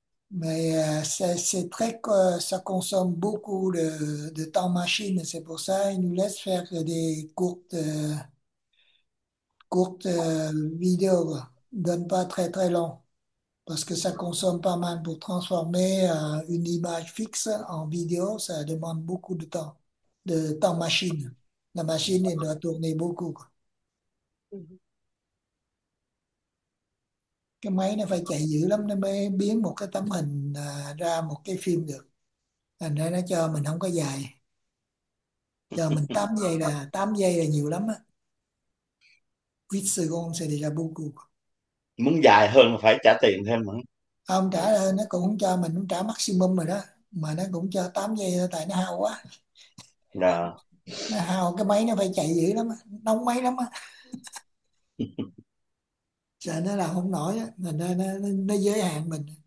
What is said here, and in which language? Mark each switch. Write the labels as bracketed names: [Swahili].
[French] Mais c'est très ça consomme beaucoup de temps machine, c'est pour ça il nous laisse faire des courtes vidéos, donne pas très très long. Parce que ça consomme pas mal pour transformer une image fixe en vidéo, ça demande beaucoup de temps machine. La machine, elle doit tourner beaucoup. [Vietnamese] Cái máy nó phải chạy dữ lắm, nó mới biến một cái tấm hình ra một cái phim được. Thành ra nó cho mình không có dài. Cho mình 8 giây là nhiều lắm á. [French] 8 secondes, c'est déjà beaucoup. [Vietnamese] Muốn dài hơn phải trả tiền thêm nữa. Không, trả là nó cũng cho mình cũng trả maximum rồi đó, mà nó cũng cho 8 giây thôi, tại nó hao quá. Dạ. Hao cái máy nó phải chạy dữ lắm, nóng máy lắm á. Sợ nó là không nổi á, nó giới hạn mình.